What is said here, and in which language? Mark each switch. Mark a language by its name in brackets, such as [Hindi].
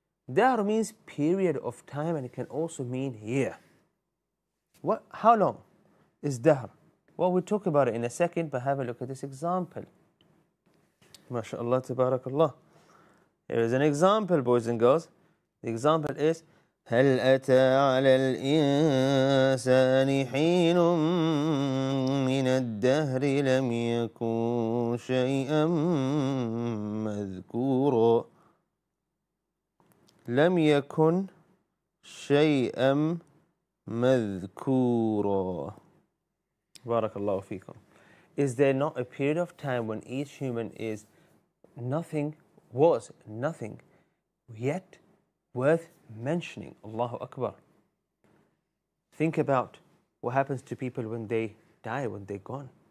[English] Dahr means period of time, and it can also mean year. What? How long is dahr? Well, we'll talk about it in a second, but have a look at this example. MashaAllah, tabarakallah. Here is an example, boys and girls. The example is, [Arabic] هَلْ أَتَى عَلَى الْإِنسَانِ حِينٌ مِّنَ الدَّهْرِ لَمْ يَكُنْ شَيْئًا مَذْكُورًا لَمْ يَكُنْ شَيْئًا مَذْكُورًا. بارك الله فيكم. [English] Is there not a period of time when each human is nothing, was nothing yet worth mentioning? Allahu Akbar. Think about what happens to people when they die, when they're gone.